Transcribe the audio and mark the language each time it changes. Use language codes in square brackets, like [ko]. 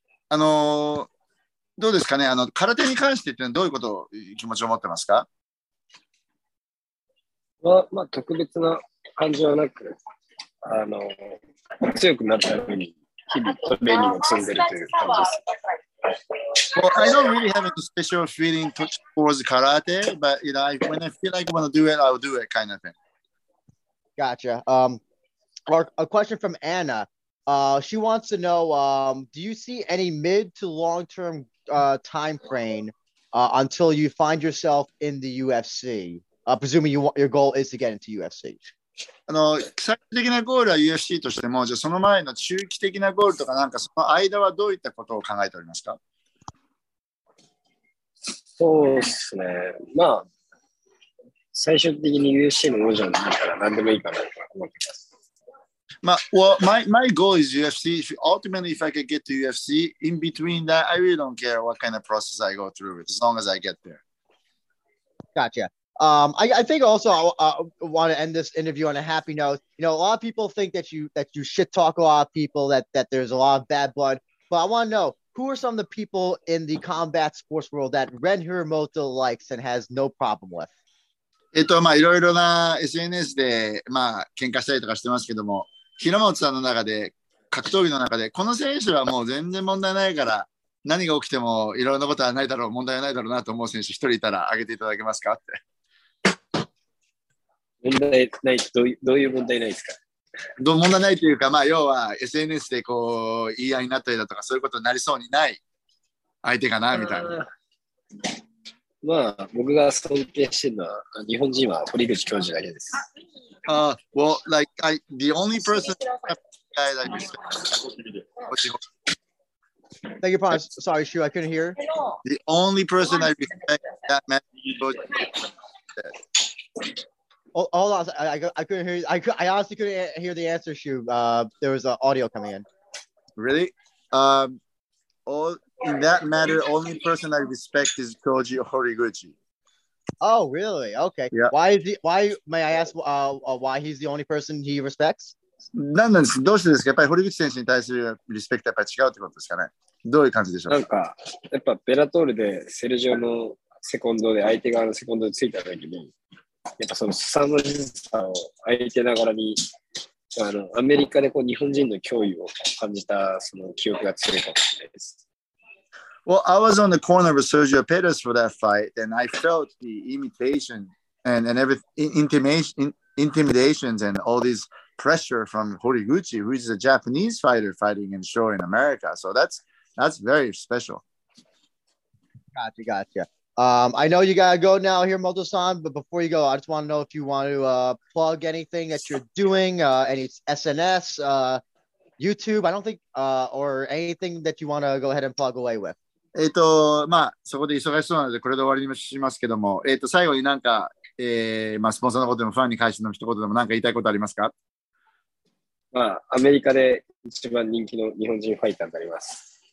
[ja] あのどうですかね。あの空手に関してってどういうことを気持ちを持ってますか。まあ、まあ特別な感じはなく、あの強くなるために日々トレーニングを積んでるという感じです。 [en] Well, I don't really have any special feeling towards karate, but you know, when I feel like I want to do it, I'll do it kind of thing. Gotcha. A question from Anna. She wants to know, do you see any mid to long-term time frame until you find yourself in the UFC? Presuming your goal is to get into UFC. [ja] あの、最終的なゴールは UFC としても、じゃあその前の中期的なゴールとかなんかその間はどういったことを考えておりますか？そうですね。まあ、最終的に UFC の王者になるから何でもいいかなと思ってます。 [en] まあ、well, my goal is UFC. Ultimately, if I could get to UFC, in between that, I really don't care what kind of process I go through with, as long as I get there. Gotcha. I think also I want to end this interview on a happy note. You know, a lot of people think that you shit talk a lot of people, that there's a lot of bad blood, but I want to know, who are some of the people in the combat sports world that Ren Hiramoto likes and has no problem with? [ja] まあ、いろいろな SNS で、まあ、喧嘩したりとかしてますけども、Hiramoto さんの中で、格闘技の中で、この選手はもう全然問題ないから、何が起きてもいろんなことはないだろう、問題ないだろうなと思う選手一人いたら挙げていただけますかって。問題ない、どういう問題ないですか？どう問題ないというか、まあ、要は SNS でこう言い合いになったりだとかそういうことになりそうにない相手かなみたいな。まあ僕が尊敬してるのは日本人は堀口教授だけです。 [en] well, like, the only person I like is Thank you, Paz. Sorry, Shu, I couldn't hear. The only person I respect that man is Hold on, I couldn't hear you. I honestly couldn't hear the answer, Shu. There was audio coming in. Really? In that matter, only person I respect is Koji Horiguchi. Oh, really? Okay. Yeah. Why may I ask why he's the only person he respects? [ja] なんなんです。どうしてですか。やっぱり堀口選手に対するリスペクトやっぱり違うってことですかね。どういう感じでしょうか。なんかやっぱベラトールでセルジオのセコンドで相手側のセコンドについた時に、やっぱその凄まじさを相手ながらに、あのアメリカでこう日本人の脅威を感じたその記憶が強いかもしれないです。 [en] Well, I was on the corner of Sergio Perez for that fight, and I felt the imitation and everything, intimidations and all these. Pressure from Horiguchi, who is a Japanese fighter fighting in show in America. So that's very special. Gotcha. I know you gotta go now here, Moto-san, but before you go, I just want to know if you want to plug anything that you're doing, any SNS, YouTube, I don't think, or anything that you want to go ahead and plug away with. [ja] まあ、そこで忙しそうなので、これで終わりにしますけども、最後になんか、まあ、スポンサーのことでもファンに返しの一言でもなんか言いたいことありますか？まあ、アメリカで一番人気の日本人ファイターになります。